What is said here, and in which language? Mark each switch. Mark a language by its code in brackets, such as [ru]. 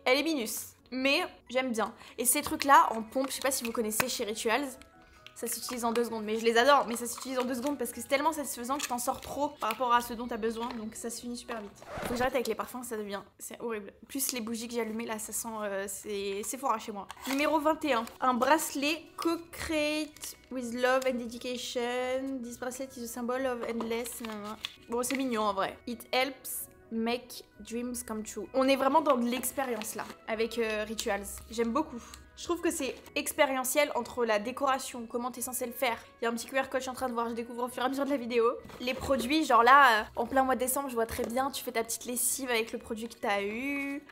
[fr] Elle est minus, mais j'aime bien. Et ces trucs-là en pompe, je sais pas si vous connaissez chez Rituals. Ça s'utilise en 2 secondes, mais je les adore, mais ça s'utilise en 2 secondes parce que c'est tellement satisfaisant que t'en sors trop par rapport à ce dont t'as besoin, donc ça se finit super vite. Faut que j'arrête avec les parfums, ça devient... c'est horrible. Plus les bougies que j'ai allumées là, ça sent... c'est fort à chez moi. Numéro 21. Un bracelet [en] co-create with love and dedication. This bracelet is a symbol of endless... [fr] Bon, c'est mignon en vrai. [en] It helps make dreams come true. [fr] On est vraiment dans de l'expérience là, avec Rituals. J'aime beaucoup. Je trouve que c'est expérientiel entre la décoration, comment t'es censé le faire. Il y a un petit QR code, je suis en train de voir, je découvre au fur et à mesure de la vidéo. Les produits, genre là, en plein mois de décembre, je vois très bien, tu fais ta petite lessive avec le produit que t'as eu.